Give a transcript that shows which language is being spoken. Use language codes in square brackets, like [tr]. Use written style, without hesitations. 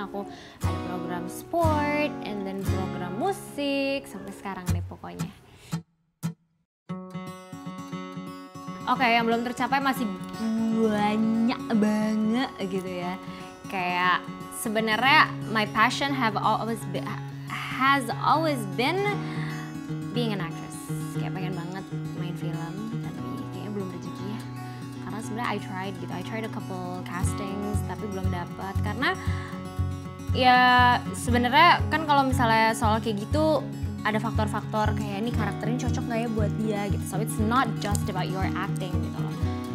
[id] Aku ada program sport, [en] and then program musik, [id] sampai sekarang deh pokoknya. Okay, yang belum tercapai masih banyak banget gitu ya. [en] Kayak sebenarnya my passion has always been being an actress. [id] Kayak pengen banget main film, tapi kayaknya belum rezeki ya. Karena sebenarnya [en] I tried a couple castings, [id] tapi belum dapat. Karena ya sebenarnya kan kalau misalnya soal kayak gitu, ada faktor-faktor kayak ini karakternya cocok gak ya buat dia gitu. [en] So it's not just about your acting gitu loh.